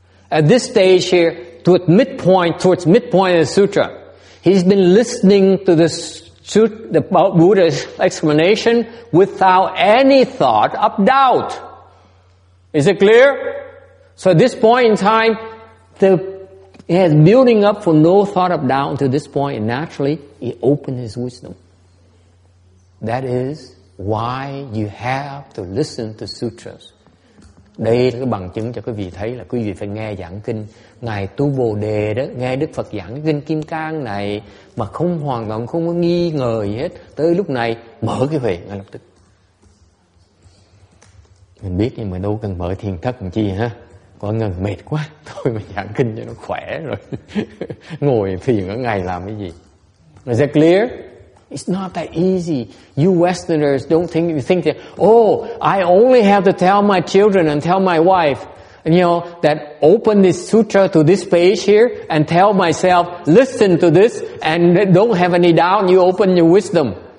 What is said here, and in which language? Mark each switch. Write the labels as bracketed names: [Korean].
[English] At this stage here, towards midpoint of the sutra, he's been listening to the Buddha's explanation without any thought of doubt. Is it clear? So at this point in time, he has building up for no thought of doubt until this point, and naturally, he opened his wisdom. That is why you have to listen to sutras. [Vietnamese] Đây là cái bằng chứng cho quý vị thấy là quý vị phải nghe giảng kinh. Ngài Tu Bồ Đề đó, nghe Đức Phật giảng cái kinh Kim Cang này mà không hoàn toàn không có nghi ngờ gì hết. Tới lúc này, mở cái huệ ngay lập tức. Mình biết nhưng mà đâu cần mở thiền thất làm chi ha. Có ngần mệt quá, thôi mà giảng kinh cho nó khỏe rồi. Ngồi thiền ở ngày làm cái gì. [English] Is that clear? It's not that easy. You Westerners don't think, you think that, oh, I only have to tell my children and tell my wife, you know, that open this sutra to this page here and tell myself, listen to this and don't have any doubt, you open your wisdom.